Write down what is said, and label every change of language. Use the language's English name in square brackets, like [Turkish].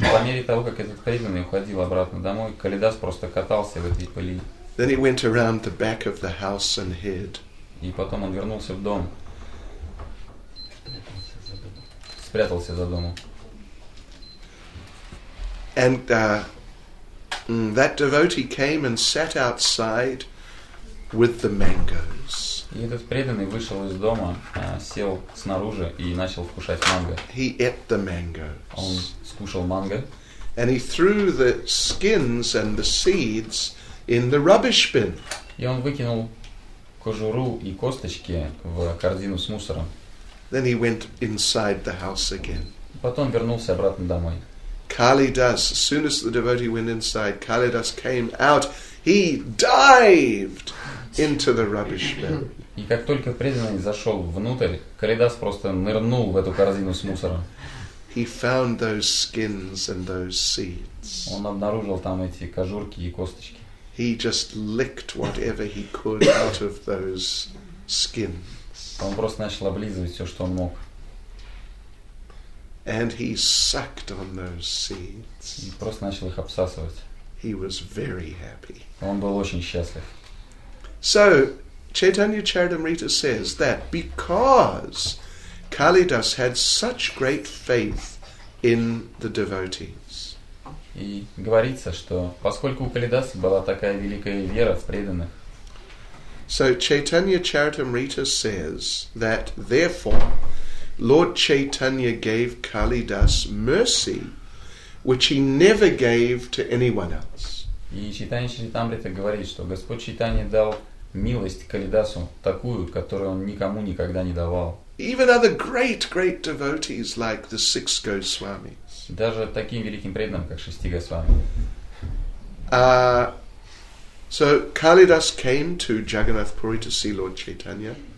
[Russian] По мере того, как этот преданный уходил обратно домой, Калидас просто катался в этой пыли. [English] Then he went around the back of the house and hid. [Russian] И потом он вернулся в дом. Спрятался за домом. [English] And that devotee came and sat outside with the mangoes. [Russian] И этот преданный вышел из дома, сел снаружи и начал вкушать манго. [English] He ate the mangoes. [Russian] Он скушал манго. [English] And he threw the skins and the seeds in the rubbish bin. [Russian] И он выкинул кожуру и косточки в корзину с мусором. [English] Then he went inside the house again. [Russian] Потом вернулся обратно домой. [English] Kalidas, as soon as the devotee went inside, Kalidas came out. He dived into the rubbish bin. [Russian] И как только преданный зашел внутрь, Калидас просто нырнул в эту корзину с мусором. [English] He found those skins and those seeds. [Russian] Он обнаружил там эти кожурки и косточки. [English] He just licked whatever he could out of those skins. [Russian] Он просто начал облизывать все, что он мог. [English] And he sucked on those seeds. [Russian] И просто начал их обсасывать. [English] He was very happy. [Russian] Он был очень счастлив. [English] So, Chaitanya Charitamrita says that because Kalidas had such great faith in the devotees. [Russian] И говорится, что поскольку у Калидаса была такая великая вера в преданных. [English] So, Chaitanya Charitamrita says that therefore Lord Chaitanya gave Kalidas mercy which he never gave to anyone else. [Russian] И Чайтанья Чаритамрита говорит, что Господь Чайтанья дал милость Калидасу такую, которую он никому никогда не давал. [English] Even other great devotees like the six Goswamis. [Russian] Даже таким великим преданным, как шести Госвами. [English] So Kalidas came to Jagannath Puri to see Lord Chaitanya.